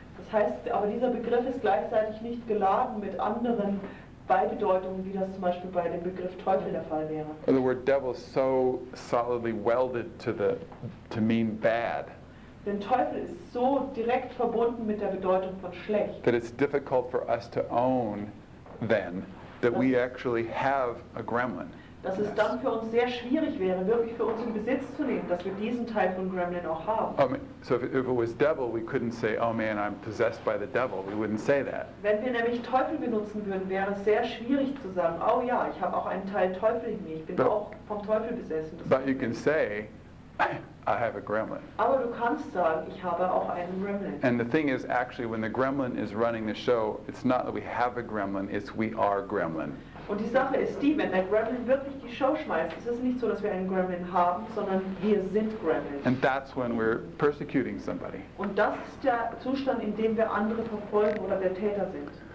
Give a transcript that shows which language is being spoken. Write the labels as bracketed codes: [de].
[de] Das heißt, aber dieser Begriff ist gleichzeitig nicht geladen mit anderen Beibedeutungen, wie das zum Beispiel bei dem Begriff Teufel der Fall wäre. [en] Or the word devil is so solidly welded to mean bad. [de] Denn Teufel ist so direkt verbunden mit der Bedeutung von schlecht. [en] That it's difficult for us to own then. That we actually have a gremlin. [de] Dass es dann für uns sehr schwierig wäre, wirklich für uns in Besitz zu nehmen, dass wir diesen Teil von Gremlin auch haben. [en] Oh, so if it was devil, we couldn't say, oh man, I'm possessed by the devil. We wouldn't say that. [de] Wenn wir nämlich Teufel benutzen würden, wäre es sehr schwierig zu sagen, oh ja, ich habe auch einen Teil Teufel in mir. Ich bin [en] but, [de] auch vom Teufel besessen. [en] Das but you can say, I have a gremlin. [de] Aber du kannst sagen, ich habe auch einen Gremlin. [en] And the thing is, actually, when the gremlin is running the show, it's not that we have a gremlin, it's we are gremlin. [de] Und die Sache ist die, wenn der Gremlin wirklich die Show schmeißt, es ist nicht so, dass wir einen Gremlin haben, sondern wir sind Gremlin. [en] And that's when we're persecuting somebody. [de] Und das ist der Zustand, in dem wir andere verfolgen oder der Täter sind.